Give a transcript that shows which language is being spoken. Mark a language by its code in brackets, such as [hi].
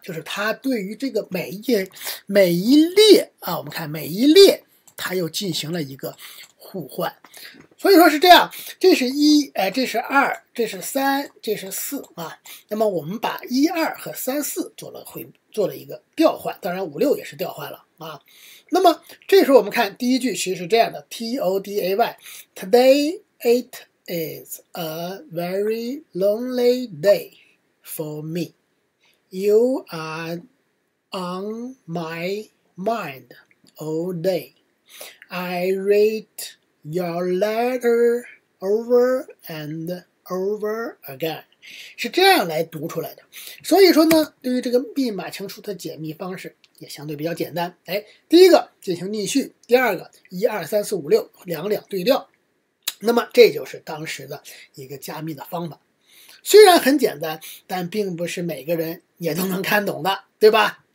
[zh] 就是它对于这个每一列啊，我们看每一列，它又进行了一个互换。所以说是这样，这是一，哎，这是二，这是三，这是四啊。那么我们把一二和三四做了一个调换，当然五六也是调换了啊。那么这时候我们看第一句其实是这样的 ， [en] today it is a very lonely day for me。 You are on my mind all day. I read your letter over and over again. [zh] 是这样来读出来的。所以说呢，对于这个密码情书的解密方式也相对比较简单。哎，第一个进行逆序，第二个一二三四五六两两对调。那么这就是当时的一个加密的方法。虽然很简单，但并不是每个人也都能看懂的，对吧？